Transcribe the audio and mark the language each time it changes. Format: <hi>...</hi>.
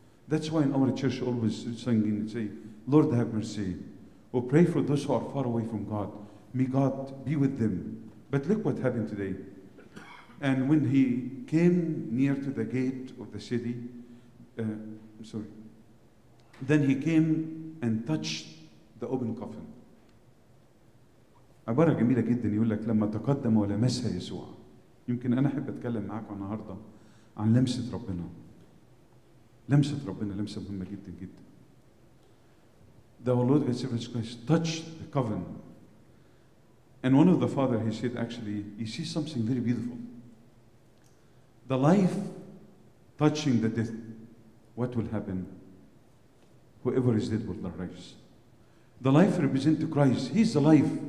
<en>That's why in our church always singing and say, Lord have mercy, or pray for those who are far away from God. May God be with them. But look what happened today. And when he came near to the gate of the city, then he came and touched the open coffin.</en> <ar>عبارة جميلة جدا يقول لك لما تقدم ولمسها يسوع. يمكن أنا أحب أتكلم معاكم النهاردة عن لمسة ربنا. لمسة ربنا لمسة مهمة جدا جدا.</ar> <en>The Lord God Jesus Christ touched the coffin. And one of the father he said actually, you see something very beautiful. The life touching the death, what will happen? Whoever is dead will arise. The life represents Christ. He's the life.</en>